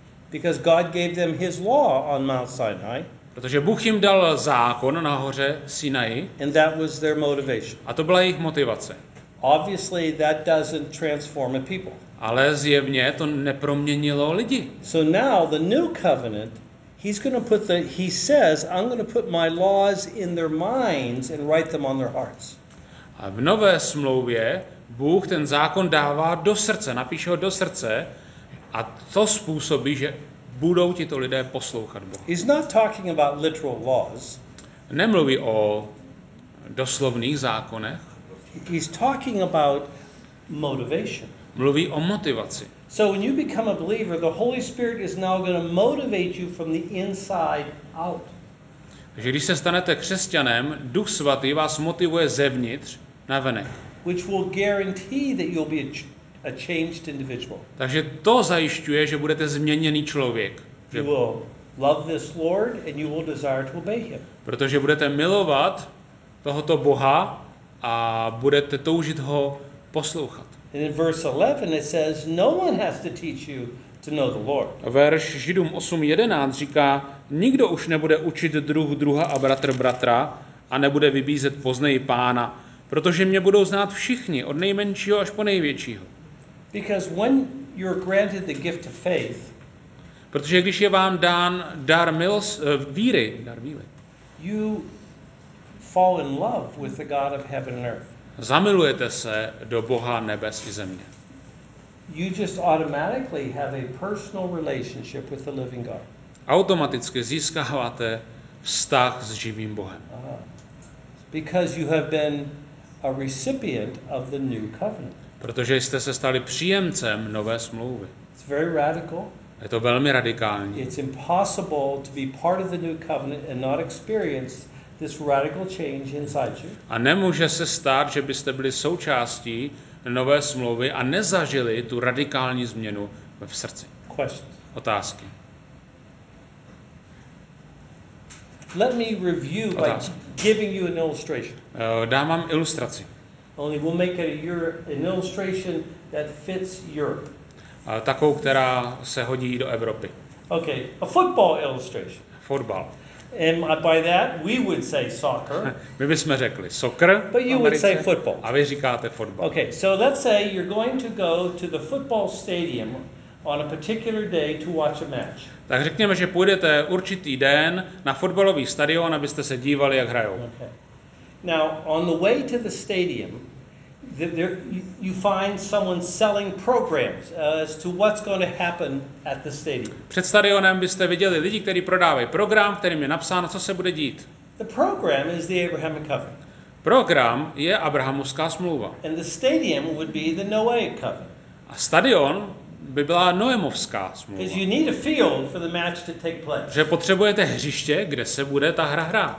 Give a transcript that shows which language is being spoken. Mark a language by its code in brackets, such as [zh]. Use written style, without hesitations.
[en] Because God gave them his law on Mount Sinai. [cs] Protože Bůh jim dal zákon na hoře Sinai. [en] And that was their motivation. [cs] A to byla jejich motivace. [en] Obviously that doesn't transform a people. [cs] Ale zjevně to neproměnilo lidi. [en] So now the new covenant, he says, I'm going to put my laws in their minds and write them on their hearts. [cs] A v nové smlouvě Bůh ten zákon dává do srdce, napíše ho do srdce a to způsobí, že budou tito lidé poslouchat Boha. [en] He's not talking about literal laws. [cs] Nemluví o doslovných zákonech. [en] He's talking about motivation. [cs] Mluví o motivaci. [en] So when you become a believer, the Holy Spirit is now going to motivate you from the inside out. [cs] Takže když se stanete křesťanem, Duch svatý vás motivuje zevnitř na venek. [en] Which will guarantee that you'll be a changed individual. [cs] Takže to zajišťuje, že budete změněný člověk. [en] You will love this Lord and you will desire to obey him. [cs] Protože budete milovat tohoto Boha a budete toužit ho poslouchat. [en] And in verse 11 it says no one has to teach you to know the Lord. [cs] Verš Židům 8:11 říká nikdo už nebude učit druha a bratr bratra a nebude vybízet poznej Pána, protože mě budou znát všichni od nejmenšího až po největšího. [en] Because when you're granted the gift of faith, [cs] protože když je vám dán dar víry, dar víry, [en] you fall in love with the God of heaven and earth. [cs] Zamilujete se do Boha nebes i země. [en] You just automatically have a personal relationship with the living God. [cs] Automaticky získáváte vztah s živým Bohem. [en] Because you have been a recipient of the new covenant. [cs] Protože jste se stali příjemcem nové smlouvy. [en] It's very radical. [cs] Je to velmi radikální. [en] It's impossible to be part of the new covenant and not experience this radical change inside you. [cs] A nemůže se stát, že byste byli součástí nové smlouvy a nezažili tu radikální změnu ve srdci. [en] Questions. [cs] Otázky. [en] Let me review by giving you an illustration. [cs] Dám vám ilustraci. [en] Only we'll make it an illustration that fits Europe. [cs] Takovou, která se hodí do Evropy. [en] Okay, a football illustration. [cs] Fotbal. [en] And by that we would say soccer. [cs] My bychom řekli soccer. [en] But you would say football. [cs] A vy říkáte fotbal. [en] Okay, so let's say you're going to go to the football stadium on a particular day to watch a match. [cs] Tak řekněme, že půjdete určitý den na fotbalový stadion, abyste se dívali, jak hrajou. [en] Okay. Now, on the way to the stadium, There, you find someone selling programs as to what's going to happen at the stadium. [cs] Před stadionem byste viděli lidi, kteří prodávají program, kterým je napsáno, co se bude dít. [en] The program is the Abrahamic covenant. [cs] Program je Abrahamovská smlouva. [en] And the stadium would be the Noahic covenant. [cs] A stadion by byla Noemovská smlouva. [en] Because you need a field for the match to take place. [cs] Že potřebujete hřiště, kde se bude ta hra hrát.